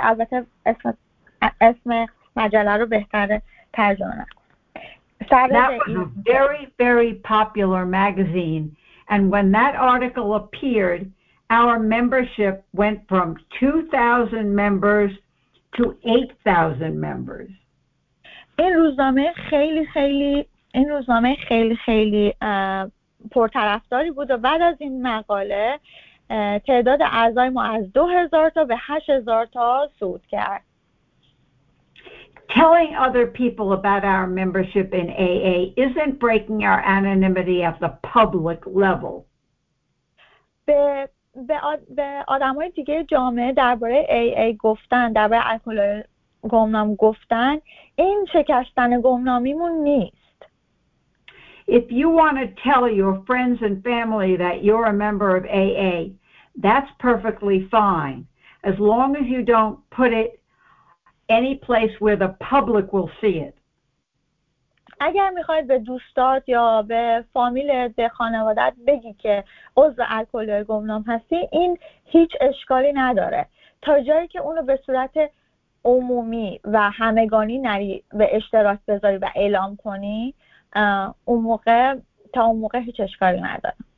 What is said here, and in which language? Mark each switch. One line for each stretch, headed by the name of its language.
Persian: البته اسم مجله رو بهتر ترجمه نکنم.
English: That was a very, very popular magazine. And when that article appeared, our membership went from 2,000 members to 8,000 members.
Persian: این روزنامه خیلی خیلی این روزنامه خیلی خیلی پرطرفداری بود و بعد از این مقاله تعداد اعضای ما از 2000 تا به 8000 تا صعود کرد.
English: Telling other people about our membership in AA isn't breaking our anonymity at the public level.
Persian: به آدمای دیگه جامعه درباره AA گفتن، درباره الکل گمنام گفتن، این شکستن گمنامیمون نیست.
English: If you want to tell your friends and family that you're a member of AA, that's perfectly fine, as long as you don't put it any place where the public will see it.
Persian: اگر میخواید به دوستات یا به فامیلت، به خانوادت بگی که عضو الکلی گمنام هستی، این هیچ اشکالی نداره. تا جایی که اونو به صورت عمومی و همگانی نری به اشتراک بذاری و اعلام کنی، اون موقع تا اون موقع هیچ اشکالی نداره.